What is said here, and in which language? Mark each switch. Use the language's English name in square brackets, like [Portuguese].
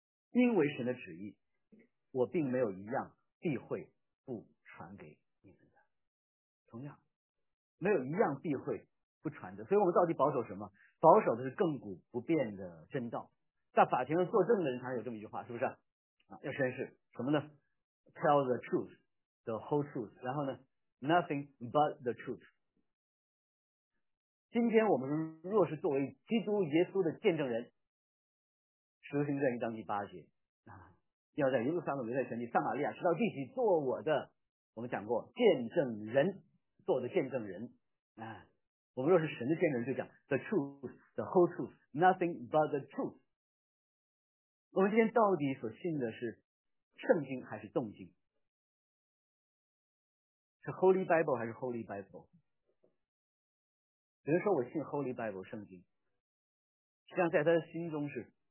[Chinese] 因为神的旨意，我并没有一样避讳不传给你们的。同样，没有一样避讳不传的。所以我们到底保守什么？保守的是亘古不变的真道。在法庭上作证的人，他有这么一句话，是不是？要宣誓什么呢 ？ Tell the truth, the whole truth. [English] 然后呢 ？Nothing but the truth. [Chinese] 今天我们若是作为基督耶稣的见证人。使徒行传1章第8节要在耶路撒冷、犹太全地、撒玛利亚，直到地极，做我的，我们讲过见证人，做我的见证人啊。我们若是神的见证人，就讲 the truth, the whole truth, nothing but the truth。我们今天到底所信的是圣经还是动经？是 Holy Bible 还是 Holy Bible？ 有人说我信 Holy Bible 圣经，实际上在他的心中是。